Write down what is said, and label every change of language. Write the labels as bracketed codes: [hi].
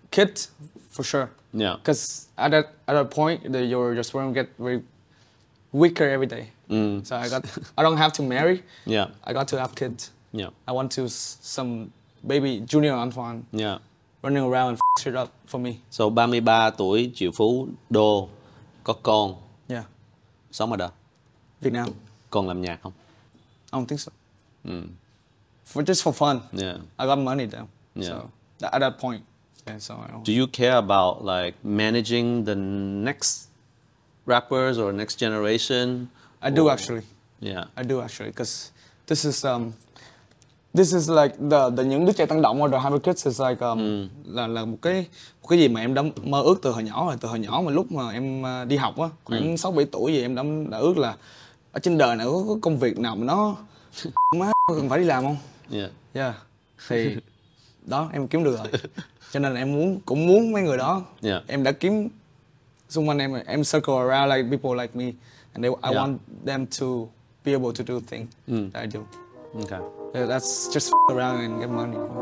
[en] Kid, for sure. Yeah. Because at that point, your sperm get very weaker every day. Mm. So I don't have to marry. Yeah. I got to have kids. Yeah. I want to some baby junior Antoine. Yeah. Running around and f*** shit up for me. [vi] So 33 tuổi, triệu phú, đô, có con. [en] Yeah. [vi] Sống ở đâu? Việt Nam. Còn làm nhạc không? [en] I don't think so. Mm. Just for fun. Yeah. I got money though. Yeah. So at that point. Yeah, so I don't... Do you care about like managing the next rappers or next generation? I do actually. Yeah. I do actually, because this is like the [vi] những đứa trẻ tăng động [en] or the hybrid kids is like [vi] là một cái gì mà em đã mơ ước từ hồi nhỏ rồi, từ hồi nhỏ mà lúc mà em đi học á, khoảng 6-7 tuổi gì em đã ước là ở trên đời này có công việc nào mà nó má cần phải đi làm không? [en] Yeah. [vi] Yeah. Thì đó em kiếm được rồi. Cho nên là em cũng muốn mấy người đó. [en] Yeah. [vi] Em đã kiếm xung quanh em [en] circle around like people like me and I want them to be able to do things that I do. Okay. Yeah, that's just f*** around and get money.